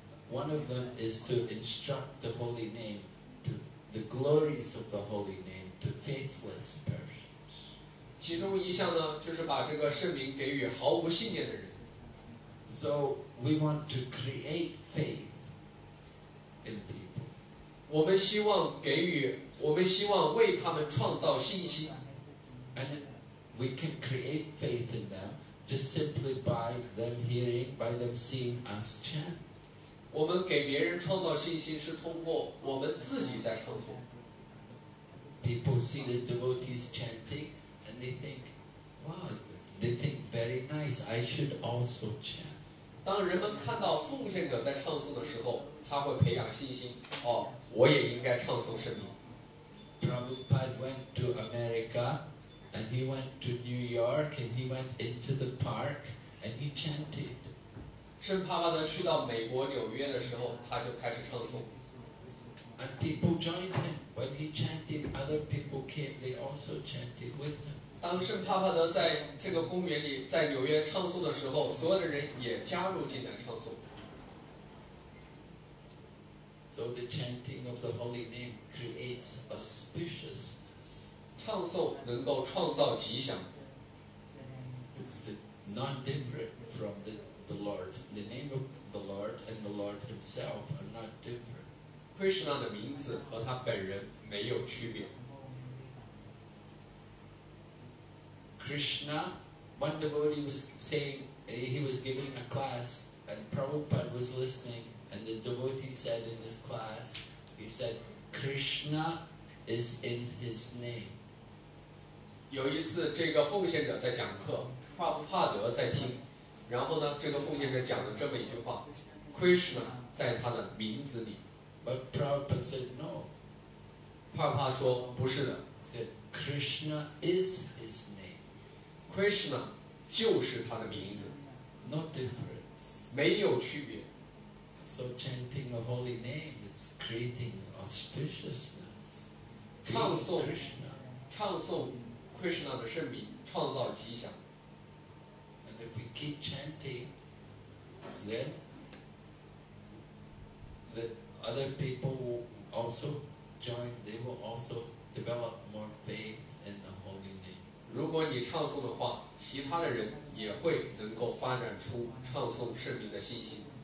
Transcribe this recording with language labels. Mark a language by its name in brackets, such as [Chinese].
[English] One of them is to instruct the holy name, to the glories of the holy name to faithless persons. [Chinese] 其中一项呢，就是把这个圣名给予毫无信念的人。 [English] So we want to create faith in people. [Chinese] 我们希望给予，我们希望为他们创造信心。 [English] And we can create faith in them just simply by them hearing, by them seeing us chant. [Chinese] 我们给别人创造信心是通过我们自己在唱诵。 [English] People see the devotees chanting and they think, wow, they think very nice, I should also chant. [Chinese] 当人们看到奉献者在唱诵的时候，他会培养信心，哦，我也应该唱诵圣名。 [English] Prabhupada went to America and he went to New York and he went into the park and he chanted. [Chinese] 圣帕帕德去到美国纽约的时候，他就开始唱诵。 [English] And people joined him when he chanted. Other people came; they also chanted with him. [Chinese] 当圣帕帕德在这个公园里，在纽约唱诵的时候，所有的人也加入进来唱诵。 [English] So the chanting of the holy name creates auspiciousness. [Chinese] 唱诵能够创造吉祥。 [English] It's not different from the. The Lord, the name of the Lord and the Lord Himself are not different. [Chinese] Krishna 的名字和他本人没有区别。 [English] Krishna, one devotee was saying, he was giving a class and Prabhupada was listening and the devotee said in his class, he said, Krishna is in his name. [Chinese] 有一次这个奉献者在讲课，帕布帕德在听。然后呢，这个奉献者讲了这么一句话 ：“Krishna 在他的名字里。 [English] ”But Prabhupada said no. [Chinese] 帕帕说不是的。 [English] Said Krishna is his name. [Chinese] Krishna 就是他的名字。 [English] No difference. [Chinese] 没有区别。 [English] So chanting a holy name is creating auspiciousness. [Chinese] 唱诵 Krishna, 唱诵 Krishna 的圣名，创造吉祥。 [English] If we keep chanting, then the other people will also join. They will also develop more faith in the holy name. [Chinese] 如果你唱诵的话，其他的人也会能够发展出唱诵圣名的信心。